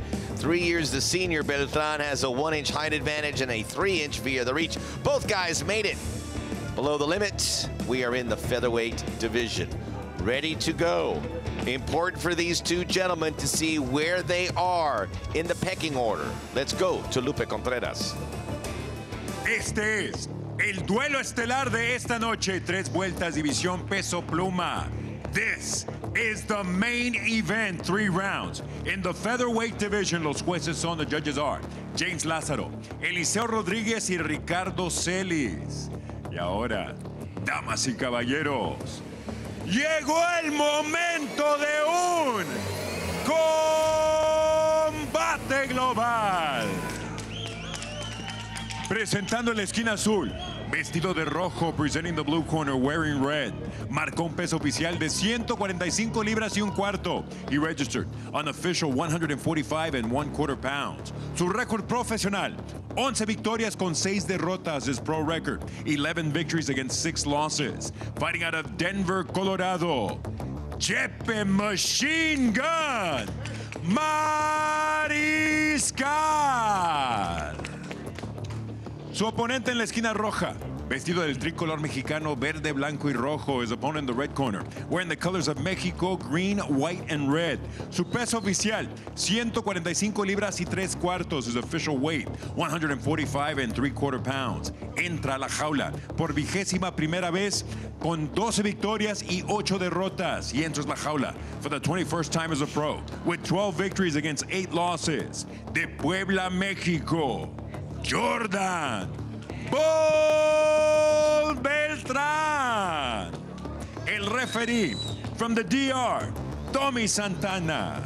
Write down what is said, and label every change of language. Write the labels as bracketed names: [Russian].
[English] 3 years the senior, Beltran has a 1-inch height advantage and a 3-inch via the reach. Both guys made it below the limit. We are in the featherweight division, ready to go. Important for these two gentlemen to see where they are in the pecking order. Let's go to Lupe Contreras. [Spanish] Este es el duelo estelar de esta noche. Tres vueltas, división peso pluma. [English] This is the main event, three rounds. In the featherweight division, [Spanish] los jueces son, [English] the judges are, James Lázaro, Eliseo Rodríguez, y Ricardo Celis. [Spanish] Y ahora, damas y caballeros, llegó el momento de un combate global. Presentando en la esquina azul, vestido de rojo, [English] presenting the blue corner, wearing red. [Spanish] Marcó un peso oficial de 145 libras y un cuarto. [English] He registered an official 145 and one quarter pounds. [Spanish] Su récord profesional, 11 victorias con 6 derrotas, [English] his pro record, 11 victories against 6 losses. Fighting out of Denver, Colorado, Chepe Machine Gun Mariscal. [Spanish] Su oponente en la esquina roja, vestido del tricolor mexicano, verde, blanco y rojo. [English] His opponent in the red corner, wearing the colors of Mexico, green, white, and red. [Spanish] Su peso oficial, 145 libras y 3 cuartos. [English] His official weight, 145 and 3 quarter pounds. [Spanish] Entra a la jaula por vigésima primera vez con 12 victorias y 8 derrotas. Y entra a la jaula [English] for the 21st time as a pro, with 12 victories against 8 losses. [Spanish] De Puebla, México, Jordan Bull Beltran. [English] El referee from the DR, Tommy Santana.